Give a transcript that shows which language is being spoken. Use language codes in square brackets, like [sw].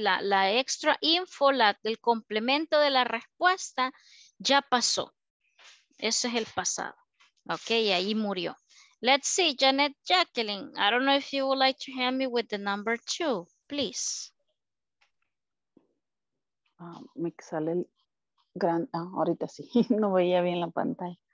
[es] La extra info, el complemento de la respuesta ya pasó. Ese es el pasado. Okay, ahí murió. [en] Let's see, Janet Jacqueline. I don't know if you would like to help me with the number two, please. [es] Me sale el gran. Ah, ahorita sí, no veía bien la pantalla.